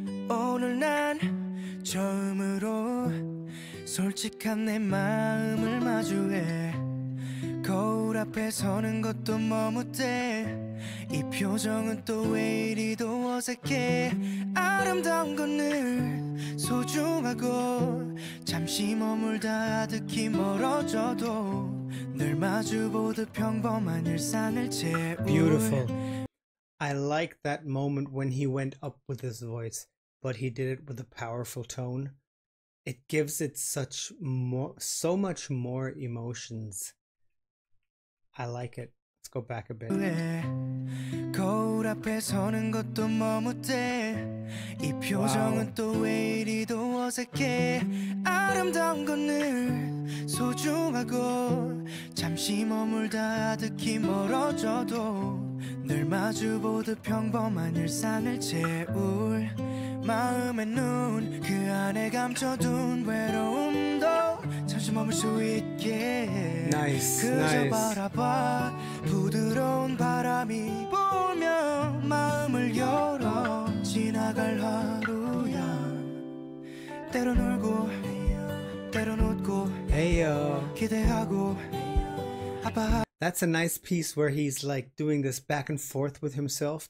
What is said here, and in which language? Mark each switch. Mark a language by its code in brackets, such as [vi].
[ko] 오늘 난 처음으로 솔직한 내 마음을 마주해 거울 앞에 서는 것도 머뭇대 이 표정은 또 왜 이리도 어색해 아름다운 건 늘 소중하고 잠시 머물다 아득히 멀어져도 늘 마주보듯 평범한 일상을 채울 [en] Beautiful. I like that moment when he went up with his voice, but he did it with a powerful tone. It gives it such more, so much more emotions. I like it. Let's go back a bit. [ko] 거울 앞에 서는 것도 머뭇대 이 표정은 또 왜 이리도 어색해 아름다운 건 늘 소중하고 잠시 머물다 아득히 멀어져도 늘 마주보듯 평범한 일상을 채울 마음의 눈 그 안에 감춰둔 외로움도 잠시 머물 수 있게 [en] nice, [ko] 그저 [en] nice. [ko] 바라봐 부드러운 바람이 불면 마음을 열어 지나갈 하루야 때론 울고 때론 웃고 에이요 기대하고 아빠 [en] That's a nice piece where he's like doing this back and forth with himself.